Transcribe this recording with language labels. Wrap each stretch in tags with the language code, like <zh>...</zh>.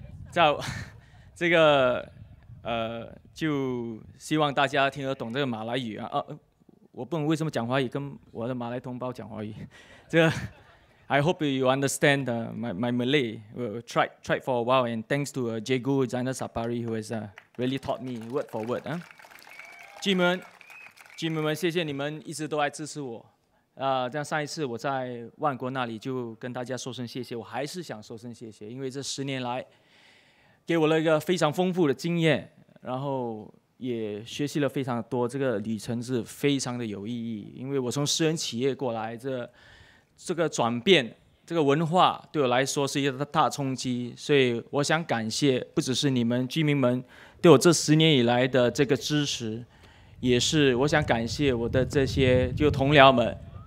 <zh>So, 这个就希望大家听得懂这个马来语啊。我不能为什么讲华语跟我的马来同胞讲华语。</zh> <en>这个 ，I hope you understand my Malay. Tried for a while, and thanks to Jegu Zainal Sapari who has really taught me word for word.</en> <zh>啊，G 们，谢谢你们一直都来支持我。这样上一次我在万国那里就跟大家说声谢谢，我还是想说声谢谢，因为这十年来给我了一个非常丰富的经验，然后也学习了非常多，这个旅程是非常的有意义，因为我从私人企业过来，这个转变，这个文化对我来说是一个大冲击，所以我想感谢不只是你们居民们对我这十年以来的这个支持，也是我想感谢我的这些就同僚们，</zh>